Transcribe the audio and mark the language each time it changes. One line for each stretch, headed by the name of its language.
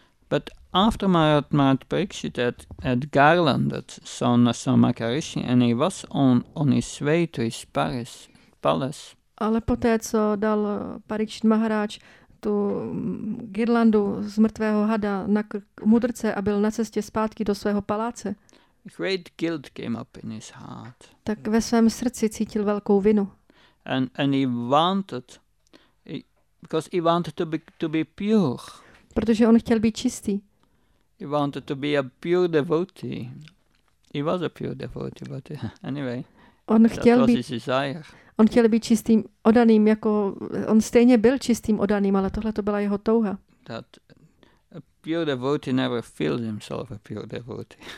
English: But after Maharaj Parikshit had garlanded son of Samaka Rishi and he was on his way to his palace.
Czech: Ale poté, co dal Parikshit Maharaj tu girlandu z mrtvého hada na mudrce a byl na cestě zpátky do svého paláce,
English: great guilt came up in his heart.
Czech: Tak ve svém srdci cítil velkou vinu.
English: And he wanted, because he wanted to be pure.
Czech: Protože on chtěl být čistý.
English: He wanted to be a pure devotee. He was a pure devotee, but anyway.
Czech: On chtěl
English: that was
Czech: být
English: his desire.
Czech: On chtěl být čistým oddaným, jako on stejně byl čistým oddaným, ale tohle to byla jeho touha.
English: That a pure devotee never feels himself a pure devotee.